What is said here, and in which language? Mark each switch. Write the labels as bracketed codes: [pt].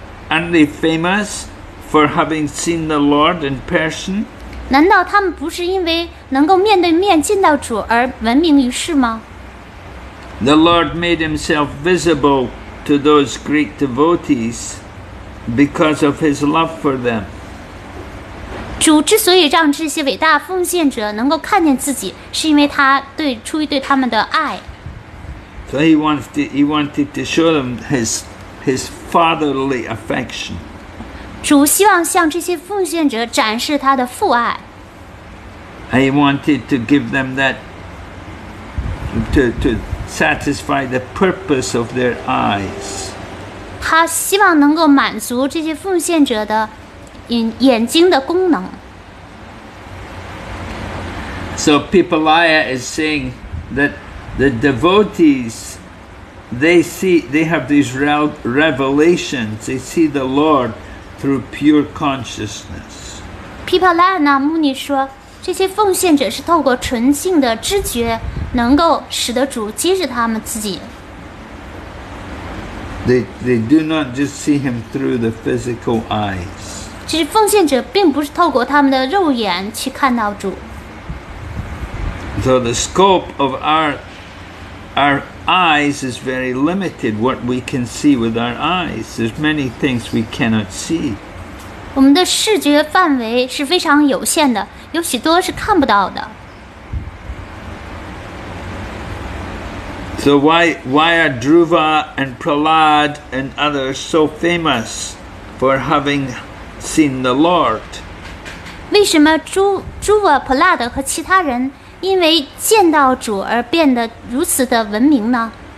[en] Aren't they famous for having seen the Lord in person? [zh] 难道他们不是因为能够面对面见到主而闻名于世吗？ [en] The Lord made himself visible to those great devotees.Because of his love for them. [zh] 主之所以让这些伟大奉献者能够看见自己，是因为他对出于对他们的爱。 [en] So he wanted to show them his fatherly affection. [zh] 主希望向这些奉献者展示他的父爱。 [en] He wanted to give them that to satisfy the purpose of their eyes. [zh] 他希望能够满足这些奉献者的眼睛的功能。 [en] So Pipalaya is saying that the devotees, they have these revelations. They see the Lord through pure consciousness. [zh] Pipalaya 牧尼说，这些奉献者是透过纯净的知觉，能够使得主接着他们自己。 [en] They do not just see him through the physical eyes. [zh] 其实奉献者并不是透过他们的肉眼去看到主。 [en] So the scope of our eyes is very limited, what we can see with our eyes. There's many things we cannot see. [zh] 我们的视觉范围是非常有限的，有许多是看不到的。 [en] So why are Dhruva and Prahlad and others so famous for having seen the Lord? [zh] 为什么Dhruva、Prahlad 和其他人因为见到主而变得如此的文明呢？